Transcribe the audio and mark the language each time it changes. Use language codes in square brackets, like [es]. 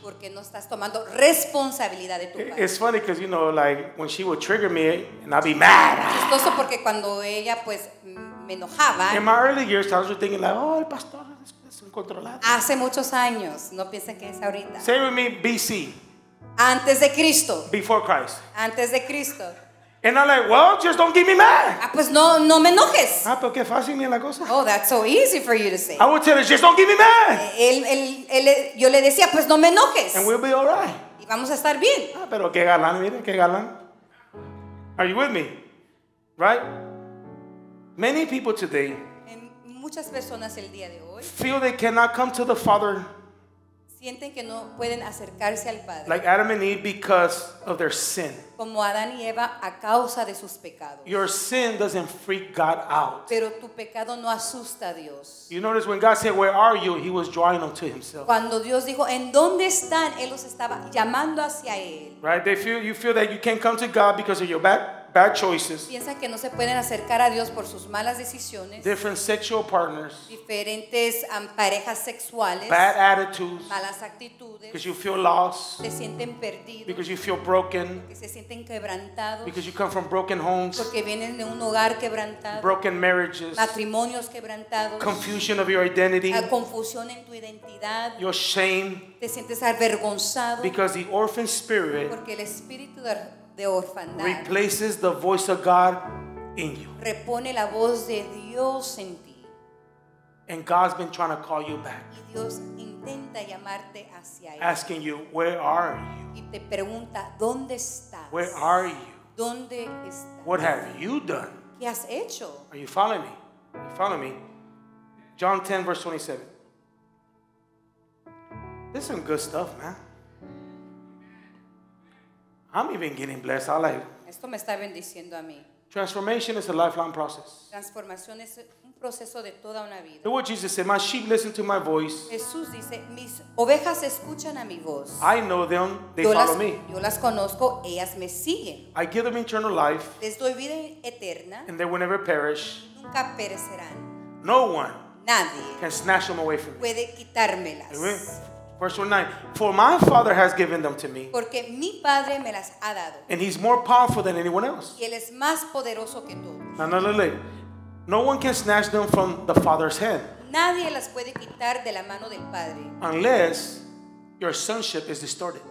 [es] Porque no estás tomando responsabilidad de tu parte. [en] It's funny because you know, like when she would trigger me and I'd be mad. [es] Chistoso porque cuando ella pues me enojaba. [en] In my early years, I was just thinking like, oh, [es] el pastor es incontrolable. Hace muchos años, no piensen que es ahorita. [en] Say with me, BC. [es] Antes de Cristo. [en] Before Christ. [es] Antes de Cristo. [en] And I'm like, well, just don't get me mad. [es] Ah, pues no, no me enojes. Ah, pero qué fácil es la cosa. [en] Oh, that's so easy for you to say. I would tell her, just don't get me mad. [es] Yo le decía, pues no me enojes. [en] And we'll be all right. [es] Y vamos a estar bien. Ah, pero qué galán, mire, qué galán. [en] Are you with me? Right? Many people today. [es] En muchas personas el día de hoy [en] feel they cannot come to the Father. [es] Sienten que no pueden acercarse al Padre. [en] Like Adam and Eve because of their sin. [es] Como Adán y Eva a causa de sus pecados. [en] Your sin doesn't freak God out. [es] Pero tu pecado no asusta a Dios. [en] You notice when God said, "Where are you?" He was drawing them to Himself. [es] Cuando Dios dijo, "¿En dónde están?" Él los estaba llamando hacia él. [en] Right? They feel you feel that you can't come to God because of your bad choices. [es] Piensan que no se pueden acercar a Dios por sus malas decisiones. [en] Different sexual partners. [es] Diferentes parejas sexuales. [en] Bad attitudes. [es] Malas actitudes. [en] Because you feel lost. [es] Se sienten perdidos. [en] Because you feel broken. [es] Porque se sienten quebrantados. [en] Because you come from broken homes. [es] Porque vienen de un hogar quebrantado. [en] Broken marriages. [es] Matrimonios quebrantados. [en] Confusion of your identity. [es] La confusión en tu identidad. [en] Your shame. [es] Te sientes avergonzado. [en] Because the orphan spirit. [es] Porque el espíritu de de orfandad [en] replaces the voice of God in you. [es] Repone la voz de Dios en ti. [en] And God's been trying to call you back. [es] Y Dios intenta llamarte hacia él. [en] Asking you, where are you? [es] Y te pregunta, ¿dónde estás? [en] Where are you? [es] ¿Dónde estás? [en] What have you done? [es] ¿Qué has hecho? [en] Are you following me? Are you following me? John 10, verse 27. This is some good stuff, man. I'm even getting blessed. I like. [es] Esto me está bendiciendo a mí. [en] Transformation is a lifelong process. [es] Transformación es un proceso de toda una vida. [en] Look what Jesus said. My sheep listen to my voice. [es] Jesús dice, mis ovejas escuchan a mi voz. [en] I know them. They [es] yo [en] follow [es] las, [en] me. [es] Yo las conozco. Ellas me siguen. [en] I give them eternal life. [es] Les doy vida eterna. [en] And they will never perish. [es] Nunca perecerán. [en] No one. [es] Nadie. [en] Can snatch them away from me. [es] Puede quitármelas. [en] Amen. Verse 9, for my Father has given them to me. [es] Porque mi padre me las ha dado. [en] And he's more powerful than anyone else. [es] Y él es más poderoso que todos. [en] No one can snatch them from the Father's hand. [es] Nadie las puede quitar de la mano del Padre. [en] Unless your sonship is distorted.